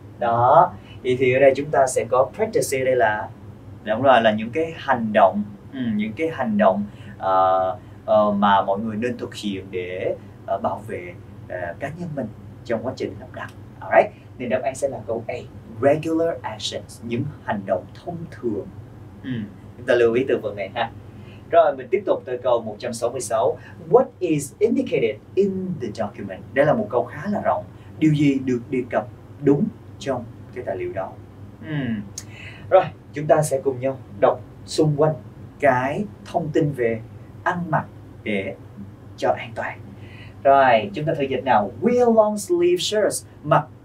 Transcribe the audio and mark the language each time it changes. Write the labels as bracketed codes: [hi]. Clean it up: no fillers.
[vi] Đó, thì ở đây chúng ta sẽ có practices, đây là đúng rồi, là những cái hành động, những cái hành động mà mọi người nên thực hiện để bảo vệ cá nhân mình trong quá trình lắp đặt. Alright, nên đáp án sẽ là câu A, [en] regular actions, [vi] những hành động thông thường. Chúng ta lưu ý từ vựng này ha. Rồi, mình tiếp tục tới câu 166. [en] What is indicated in the document? [vi] Đây là một câu khá là rộng. Điều gì được đề cập đúng trong cái tài liệu đó? Rồi, chúng ta sẽ cùng nhau đọc xung quanh cái thông tin về ăn mặc để cho an toàn. Rồi, chúng ta thử dịch nào. [en] Wear long sleeve shirts, [vi] mặc